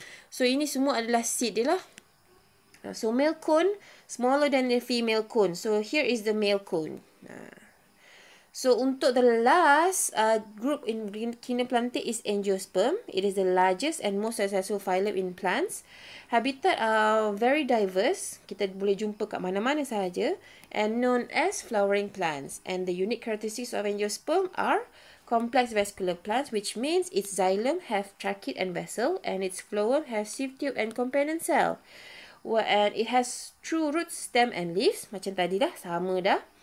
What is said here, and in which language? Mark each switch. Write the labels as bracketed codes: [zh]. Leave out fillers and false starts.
[ms] So, ini semua adalah seed dia lah. [en] So, male cone smaller than the female cone. So, here is the male cone. Ha. So, [ms] untuk [en] the last group in kingdom plantae is angiosperm. It is the largest and most successful phylum in plants. Habitat are very diverse. [ms] Kita boleh jumpa kat mana-mana sahaja. [en] And known as flowering plants. And the unique characteristics of angiosperm are complex vascular plants, which means its xylem have trachea and vessel, and its phloem have sieve tube and companion cell. Well, and it has true roots, stem and leaves. [ms] Macam tadi dah, sama dah.